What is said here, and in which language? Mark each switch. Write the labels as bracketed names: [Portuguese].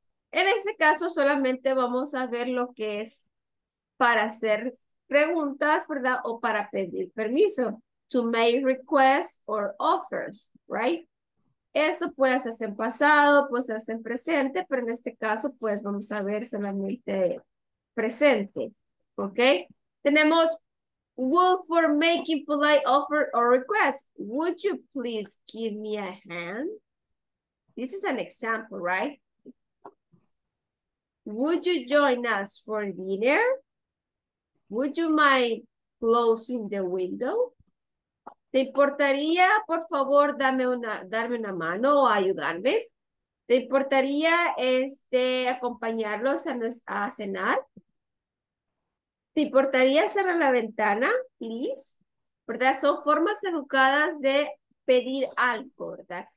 [Spanish] En este caso solamente vamos a ver lo que es para hacer preguntas, ¿verdad? O para pedir permiso. [English] To make requests or offers, right? [Spanish] Eso puede hacerse en pasado, puede hacerse en presente, pero en este caso pues vamos a ver solamente presente, ¿ok? Tenemos [English] would for making polite offer or request. Would you please give me a hand? This is an example, right? Would you join us for dinner? Would you mind closing the window? [Spanish] ¿Te importaría, por favor, darme una mano o ayudarme? ¿Te importaría acompañarlos a cenar? ¿Te importaría cerrar la ventana, please? ¿Verdad? Son formas educadas de pedir algo, ¿verdad?